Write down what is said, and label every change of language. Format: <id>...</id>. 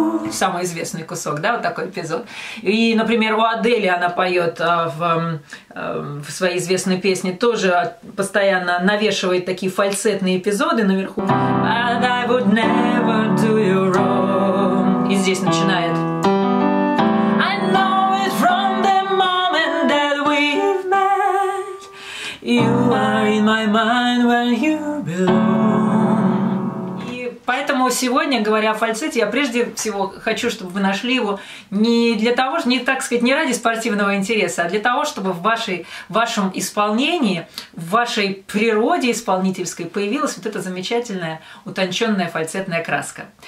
<ru>Самый известный кусок, да, вот такой эпизод. И, например, у Адели она поет в своей известной песне, тоже постоянно навешивает такие фальцетные эпизоды наверху.</ru> <en>And I would never do you wrong.</en> <ru>И здесь начинает.</ru> <en>I know it from the moment that we've met. You are in my mind where you belong.</en> <ru>Поэтому сегодня, говоря о фальцете, я прежде всего хочу, чтобы вы нашли его не для того, не, так сказать, не ради спортивного интереса, а для того, чтобы в вашем исполнении, в вашей природе исполнительской появилась вот эта замечательная утонченная фальцетная краска.</ru>